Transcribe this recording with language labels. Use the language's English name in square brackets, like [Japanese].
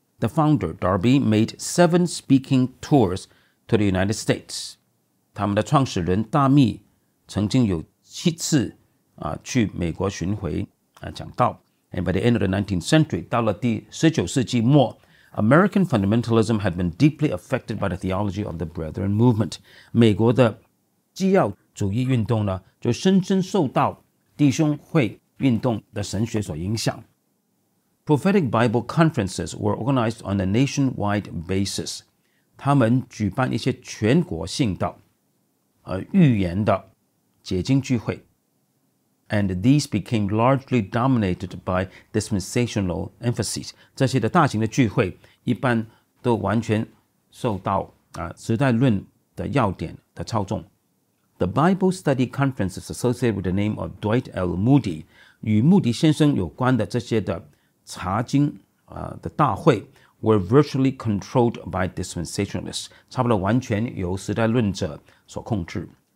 [English] The founder, Darby, made 7 speaking tours to the United States. [Chinese] 他们的创始人达密曾经有七次去美国巡回讲道。 [English] And by the end of the 19th century, [Chinese] 到了第19世纪末, [English] American fundamentalism had been deeply affected by the theology of the Brethren movement. [Chinese] 美国的基要主义运动呢就深深受到弟兄会运动的神学所影响。 [English] Prophetic Bible conferences were organized on a nationwide basis. [Chinese] 他们举办一些全国性的预言的解经聚会。 [English] And these became largely dominated by dispensational emphases. [Chinese] 这些的大型的聚会一般都完全受到时代论的要点的操纵。 [English] The Bible study conferences associated with the name of Dwight L. [Chinese] Moody, 与穆迪先生有关的这些的查经的大会 [English] were virtually controlled by dispensationalists [Chinese] 差不多完全由时代论者所控制